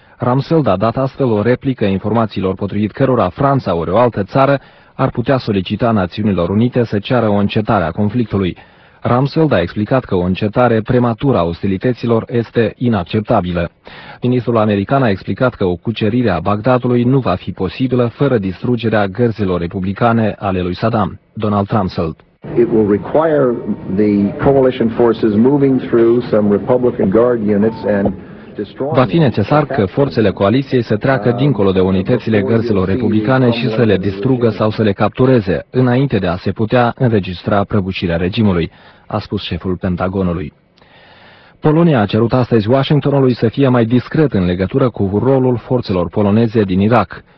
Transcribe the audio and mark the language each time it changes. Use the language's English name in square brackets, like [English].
[Romanian] Rumsfeld a dat astfel o replică informațiilor potrivit cărora Franța ori o altă țară ar putea solicita Națiunilor Unite să ceară o încetare a conflictului. Rumsfeld a explicat că o încetare prematură a ostilităților este inacceptabilă. Ministrul american a explicat că o cucerire a Bagdadului nu va fi posibilă fără distrugerea gărzilor republicane ale lui Saddam, Donald Rumsfeld. [English] It will require the coalition forces moving through some Republican Guard units and [Romanian] va fi necesar că forțele coaliției să treacă dincolo de unitățile gărzilor republicane și să le distrugă sau să le captureze, înainte de a se putea înregistra prăbușirea regimului, a spus șeful Pentagonului. Polonia a cerut astăzi Washingtonului să fie mai discret în legătură cu rolul forțelor poloneze din Irak.